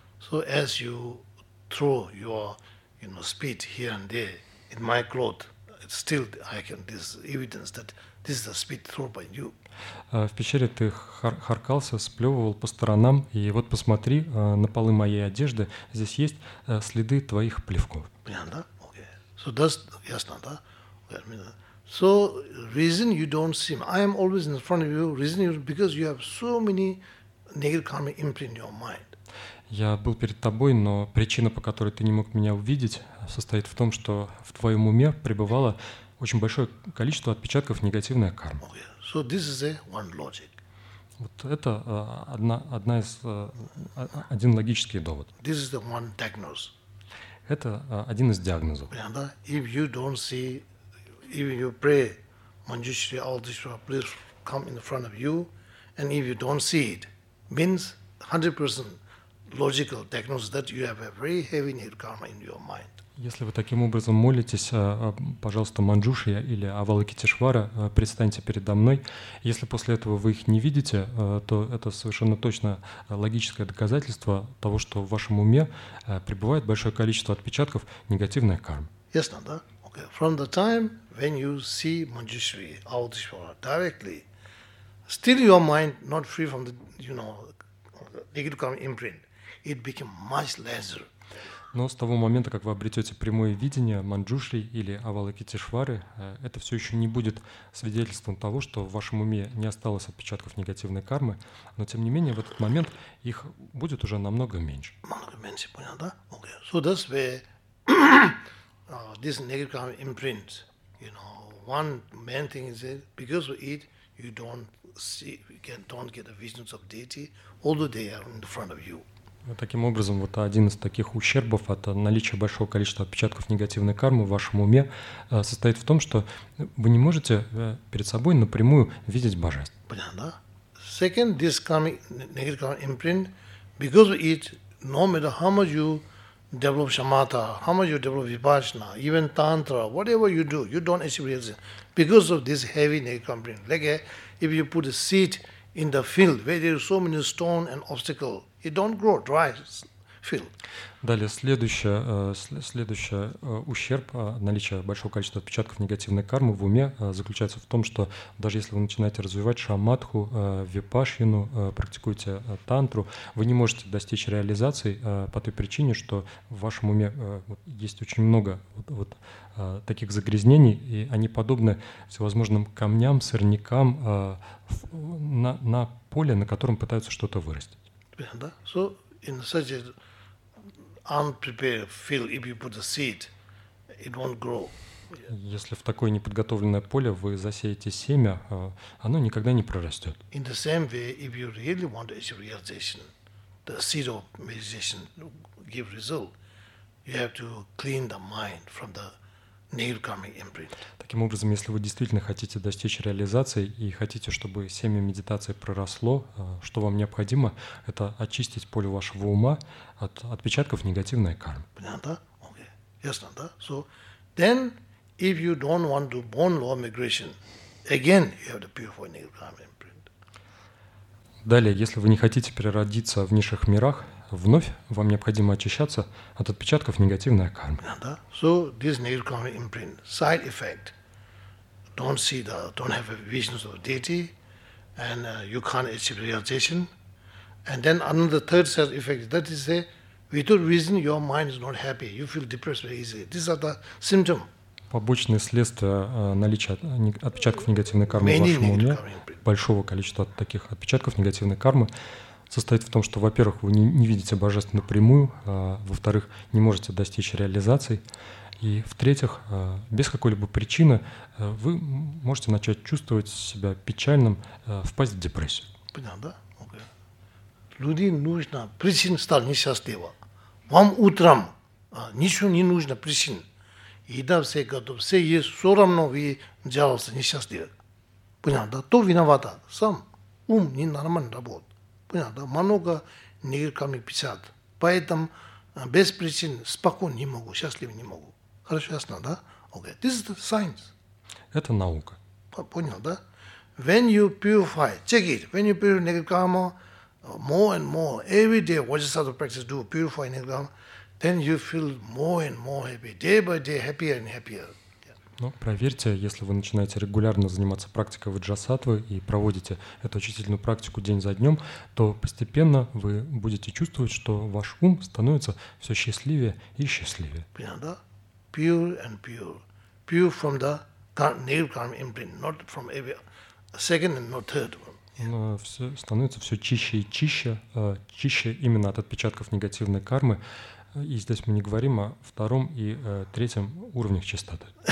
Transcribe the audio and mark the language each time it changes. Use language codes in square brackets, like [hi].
[en] So as you throw your, you know, spit here and there in my cloth, still I can this evidence that this is a spit thrown by you. [ru] В пещере ты харкался, сплевывал по сторонам, и вот посмотри на полы моей одежды, здесь есть следы твоих плевков. Понятно? [en] Okay. So that's [ru] ясно, да? [en] So reason you don't see me, I am always in front of you. Reason is because you have so many negative karma imprint in your mind. [ru] Я был перед тобой, но причина, по которой ты не мог меня увидеть, состоит в том, что в твоем уме пребывало очень большое количество отпечатков негативной кармы. [en] Okay. So this is a one logic. [ru] Вот это один логический довод. [en] This is the one diagnosis. [ru] Это один из диагнозов. [en] If you don't see, even you pray, Manjushri, all this, please come in front of you. And if you don't see it, means 100% logical diagnosis that you have a very heavy nir karma in your mind. [ru] Если вы таким образом молитесь, пожалуйста, Манджушия или Авалокитешвара, предстаньте передо мной. Если после этого вы их не видите, то это совершенно точно логическое доказательство того, что в вашем уме пребывает большое количество отпечатков негативной кармы. Ясно, да? Okay. [en] From the time when you see Manjushri, Avalokiteshvara directly, still your mind not free from the, you know, negative karma imprint, it became much lesser. [ru] Но с того момента, как вы обретете прямое видение Манджушри или Авалокитешвары, это все еще не будет свидетельством того, что в вашем уме не осталось отпечатков негативной кармы, но тем не менее в этот момент их будет уже намного меньше. Намного меньше, понял, да? [en] Okay. So that's where this negative karma imprint, you know, one main thing is that because of it, you don't see, don't get the visions of deity, although they are in the front of you. [ru] Таким образом, вот один из таких ущербов от наличия большого количества отпечатков негативной кармы в вашем уме состоит в том, что вы не можете перед собой напрямую видеть божеств. Понятно, да? [en] Second, this coming negative karma imprint, because of it, no matter how much you develop shamatha, how much you develop vipassana, even tantra, whatever you do, you don't achieve realization. Because of this heavy negative karma imprint, like if you put a seed in the field where there are so many stones and obstacles, it don't grow dry field. [ru] Далее следующий ущерб наличия большого количества отпечатков негативной кармы в уме заключается в том, что даже если вы начинаете развивать шамадху, випашьяну, практикуете тантру, вы не можете достичь реализации по той причине, что в вашем уме есть очень много таких загрязнений, и они подобны всевозможным камням, сорнякам на поле, на котором пытаются что-то вырасти. [en] So in such an unprepared field, if you put a seed, it won't grow. [ru] Если в такое неподготовленное поле вы засеете семя, оно никогда не прорастет. [en] In the same way, if you really want a realization, the seed of meditation give result, you have to clean the mind from the negative karma imprint. [ru] Таким образом, если вы действительно хотите достичь реализации и хотите, чтобы семя медитации проросло, что вам необходимо, это очистить поле вашего ума от отпечатков негативной кармы. Понятно, да? Okay. Ясно, да? [en] So, then, if you don't want to bone low migration, again, you have the beautiful negative karma imprint. [ru] Далее, если вы не хотите переродиться в низших мирах, вновь вам необходимо очищаться от отпечатков негативной кармы. Понятно, да? [en] So, this negative karma imprint, side effect, don't see the, don't have a visions of deity, and you can't achieve realization. And then another third side effect, that is a, without reason, your mind is not happy. You feel depressed very easily. These are the symptoms. [ru] Побочные следствия наличия отпечатков негативной кармы [en] many [ru] в вашем уме, большого количества таких отпечатков негативной кармы, состоит в том, что, во-первых, вы не видите божеств напрямую, во-вторых, не можете достичь реализации, и, в-третьих, без какой-либо причины вы можете начать чувствовать себя печальным, впасть в депрессию. Понятно, да? Okay. Люди нужно, причин стал несчастлива. Вам утром ничего не нужно, причин. Еда все готова, все есть, все равно вы жаловаться несчастливы. Понятно, да? То виновата, сам ум ненормально работает. Понятно, да? Много негативных карм печат. Поэтому без причин спокойно не могу, счастливо не могу. Хорошо, ясно, да? [en] Okay. This is the science. [ru] Это наука. Понял, да? [en] When you purify, check it, when you purify negative karma, more and more, every day, what you start to practice, do purify negative karma, then you feel more and more happy, day by day, happier and happier. [ru] Но проверьте, если вы начинаете регулярно заниматься практикой ваджрасаттвы и проводите эту очистительную практику день за днем, то постепенно вы будете чувствовать, что ваш ум становится все счастливее и счастливее. Понятно, да? [en] Pure and pure. Pure from the negative karma imprint, not from every second and not third one. [ru] Но все становится все чище и чище, чище именно от отпечатков негативной кармы. И здесь мы не говорим о втором и третьем уровнях чистоты.